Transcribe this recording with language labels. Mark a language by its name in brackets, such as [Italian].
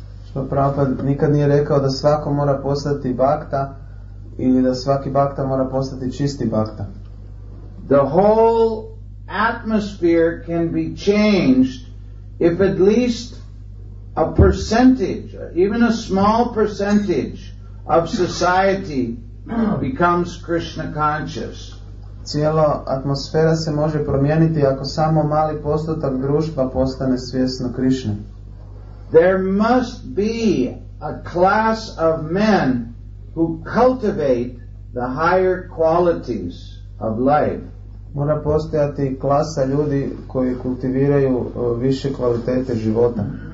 [Bosnian] Što Prabhupada nikad nije rekao da svako mora postati bhakta ili da svaki bhakta mora postati čisti bhakta. [English] The whole atmosphere can be changed if at least a percentage, even a small percentage of society becomes Krishna conscious. [Bosnian] Cijela atmosfera se može promijeniti ako samo mali postotak društva postane svjesno Krishna. [English] There must be a class of men who cultivate the higher qualities of life. [Bosnian] Mora postojati klasa ljudi koji kultiviraju više kvalitete života.